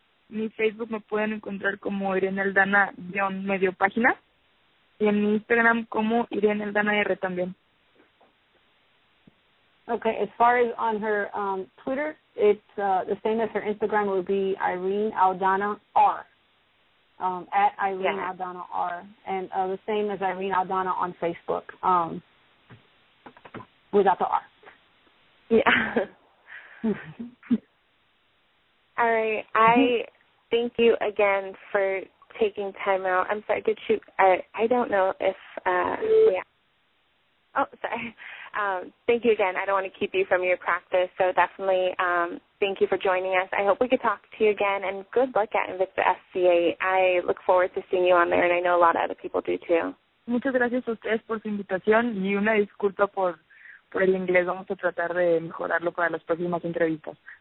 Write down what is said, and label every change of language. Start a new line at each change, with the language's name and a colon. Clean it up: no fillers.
Spanish: Mi Facebook me pueden encontrar como Irene Aldana medio página. Y en mi Instagram como Irene Aldana R también.
English: Okay, as far as on her Twitter, it's the same as her Instagram. It would be Irene Aldana R, at Irene Aldana R, and the same as Irene Aldana on Facebook, without the R. Yeah. All right. Mm-hmm. I thank you again for taking time out. I'm sorry, did you – I don't know if – yeah. Oh, sorry. Thank you again. I don't want to keep you from your practice, so definitely thank you for joining us. I hope we could talk to you again, and good luck at Invicta SCA. I look forward to seeing you on there, and I know a lot of other people do too.
Spanish: Muchas gracias a ustedes por su invitación, y una disculpa por el inglés. Vamos a tratar de mejorarlo para las próximas entrevistas.